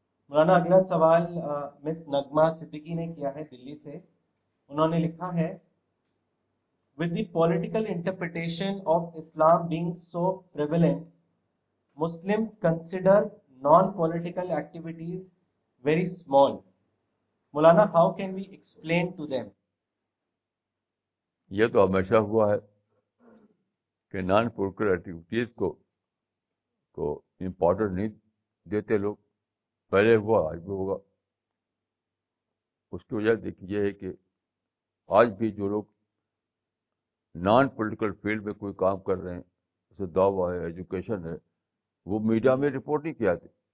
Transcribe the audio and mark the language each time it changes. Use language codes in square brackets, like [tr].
[hi] मौलाना, अगला सवाल मिस नगमा सिद्दीकी ने किया है दिल्ली से। उन्होंने लिखा है, [en] With the political interpretation of Islam being so prevalent, Muslims consider non-political activities very small. Mulana, how can we explain to them? [hi] ये तो हमेशा हुआ है कि non-political activities को important नहीं देते लोग। पहले हुआ, आज भी होगा। उसकी वजह देखिए ये है कि आज भी जो लोग non-political field में कोई काम कर रहे हैं, जैसे दावा है, education है, वो मीडिया में रिपोर्ट नहीं किया थे।